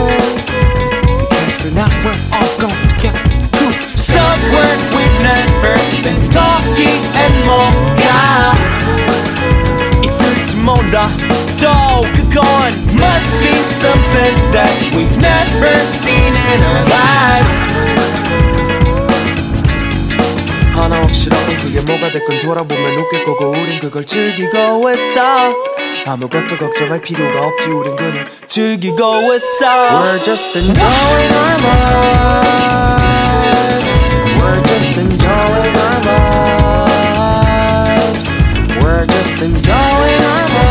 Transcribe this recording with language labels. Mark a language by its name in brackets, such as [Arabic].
[English] Because for now we're all going together to somewhere we've never been. [Korean] 거기엔 뭐가 있을지 몰라. [English] Must be something that we've never seen in our lives. [Korean] 하나 확실하면 그게 뭐가 될건 돌아보면 웃길 거고 우린 그걸 즐기고 있어. 아무것도 걱정할 필요가 없지 우린 그냥 즐기고 있어. [English] We're just enjoying our lives. We're just enjoying our lives. We're just enjoying our lives.